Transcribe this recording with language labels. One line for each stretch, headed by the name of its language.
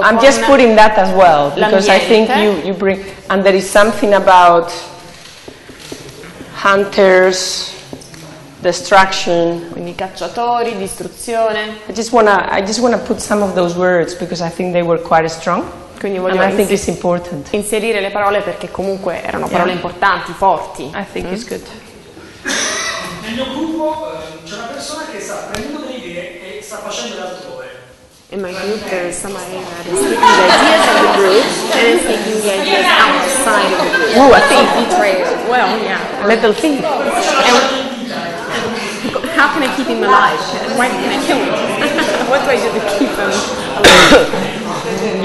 English: I'm just putting that as well because I think you bring and there is something about hunters. Destruction.
Italian: Quindi cacciatori, distruzione.
English: I just wanna put some of those words because I think they were quite strong.
Italian: Quindi voglio
English: and I think it's important.
Italian: Inserire le parole perché comunque erano parole importanti, forti.
English: I think it's good.
Italian: Nel mio gruppo c'è una persona che sta prendendo delle idee e sta facendo l'altrove.
English: In my group there is somebody that is taking the ideas of the group and is taking the ideas outside of the group. Ooh, a thief betrayed. Well, yeah. A little thief. How can I keep him alive? Why can I kill him? What do I do to keep him alive?